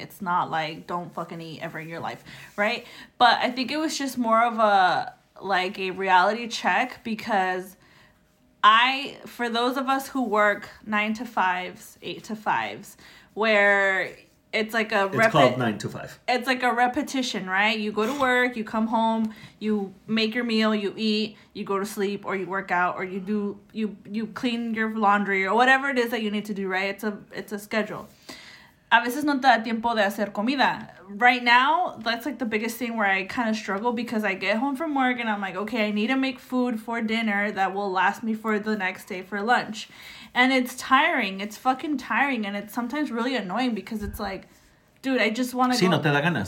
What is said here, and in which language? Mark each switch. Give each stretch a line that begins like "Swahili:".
English: It's not like don't fucking eat ever in your life, right? But I think it was just more of a like a reality check, because for those of us who work 9 to 5s, 8 to 5s, where it's like a It's called 9 to 5. It's like a repetition, right? You go to work, you come home, you make your meal, you eat, you go to sleep, or you work out, or you do you clean your laundry or whatever it is that you need to do, right? It's a schedule.
Spanish: A veces no te da tiempo de hacer comida.
English: Right now, that's like the biggest thing where I kind of struggle, because I get home from work and I'm like, okay, I need to make food for dinner that will last me for the next day for lunch. And it's tiring. It's fucking tiring. And it's sometimes really annoying because it's like, dude, I just want to
Spanish: No te da ganas.